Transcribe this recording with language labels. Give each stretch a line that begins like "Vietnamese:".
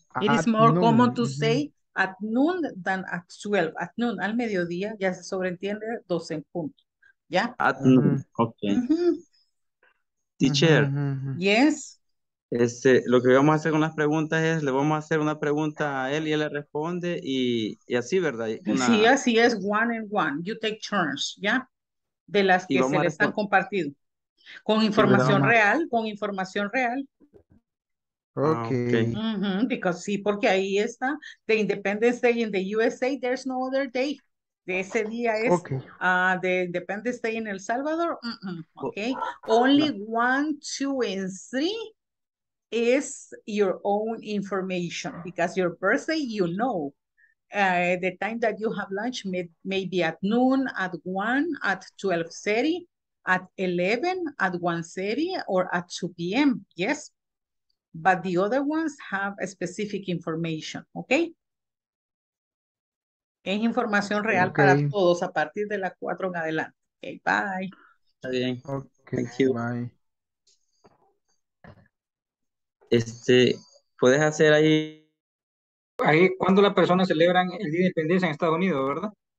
English: It is more common to say at noon than at 12. At noon,
Spanish: al mediodía, ya se sobreentiende, 12 en punto. ¿Ya?
English: At noon. Ok. Mm-hmm. Teacher. Mm-hmm. Yes.
Spanish: Lo que vamos a hacer con las preguntas es, le vamos a hacer una pregunta a él y él le responde y así, ¿verdad? Sí, así es,
English: one and one. You take turns,
Spanish: ¿ya? De las que se le están compartiendo. Con información real, con información real. Ok.
English: Mm-hmm, because,
Spanish: sí, porque ahí está,
English: the Independence Day in the USA, there's no other day.
Spanish: De ese día es de Independence Day
English: in El Salvador.
Spanish: Mm-mm, ok.
English: Only one, two, and three. Is your own information because your birthday, you know, the time that you have lunch maybe at noon, at 1, at 12:30, at 11, at 1:30, or at 2 p.m. Yes, but the other ones have a specific information, okay?
Spanish: Es información real para todos a partir de las 4 en adelante.
English: Okay, bye. Okay, thank you. Bye.
Spanish: Puedes hacer ahí cuando las personas celebran el Día de Independencia en Estados Unidos, ¿verdad?